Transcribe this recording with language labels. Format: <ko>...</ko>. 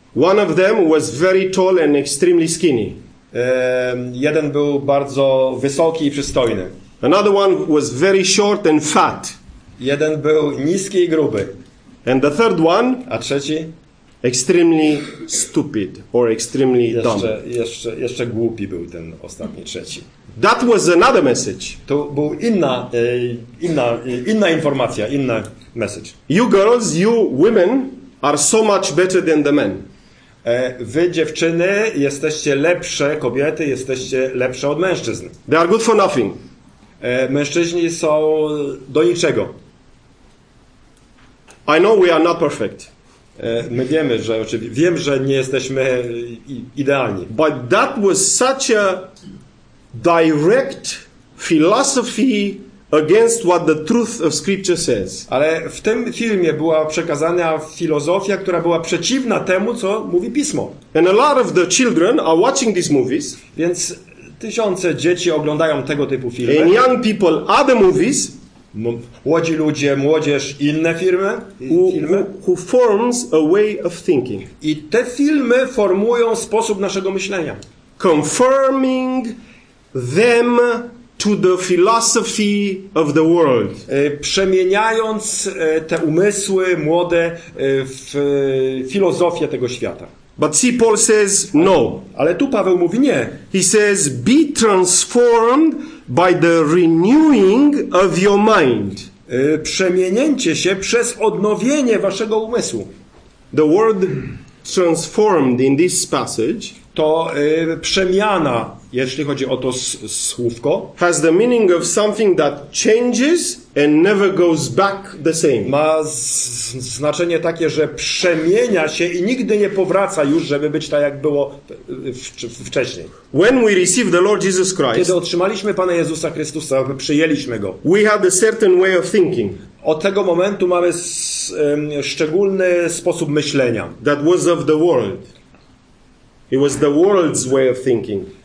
<en>One of them was very tall and extremely skinny.</en> <pl>Jeden był bardzo wysoki i przystojny.</pl> <en>Another one was very short and fat.</en> <pl>Jeden był niski i gruby.</pl> <en>And the third one,</en> <pl>a trzeci,</pl> <en>extremely stupid or extremely dumb.</en> <pl>Jeszcze głupi był ten ostatni, trzeci.</pl> <en>That was another message.</en> <pl>To był inna informacja, inna message.</pl> <en>You girls, you women are so much better than the men.</en> <pl>Wy dziewczyny jesteście lepsze, kobiety jesteście lepsze od mężczyzn.</pl> <en>They are good for nothing.</en> <pl>Mężczyźni są do niczego.</pl> <en>I know we are not perfect.</en> <pl>My wiemy, że oczywiście wiem, że nie jesteśmy idealni.</pl> <en>But that was such a direct philosophy against what the truth of scripture says.</en> <pl>Ale w tym filmie była przekazana filozofia, która była przeciwna temu, co mówi Pismo.</pl> <en>And a lot of the children are watching these movies.</en> <pl>Więc tysiące dzieci oglądają tego typu filmy.</pl> <en>And young people are the movies.</en> <pl>młodzi ludzie, młodzież, inne firmy,</pl> <en>who forms a way of thinking.</en> <pl>I te filmy formują sposób naszego myślenia.</pl> <en>Confirming them to the philosophy of the world.</en> <pl>Przemieniając te umysły młode w filozofię tego świata.</pl> <en>But see, Paul says no.</en> <pl>Ale tu Paweł mówi nie.</pl> <en>He says be transformed by the renewing of your mind.</en> <pl>Przemienięcie się przez odnowienie waszego umysłu.</pl> <en>The word transformed in this passage</en> <pl>to przemiana, jeśli chodzi o to słówko,</pl> <en>has the meaning of something that changes and never goes back the same.</en> <pl>Ma znaczenie takie, że przemienia się i nigdy nie powraca już, żeby być tak, jak było wcześniej.</pl> <en>When we receive the Lord Jesus Christ,</en> <pl>kiedy otrzymaliśmy Pana Jezusa Chrystusa, przyjęliśmy Go,</pl> <en>we had a certain way of thinking.</en> <pl>Od tego momentu mamy szczególny sposób myślenia.</pl> <en>That was of the world. It was the world's way of thinking.</en>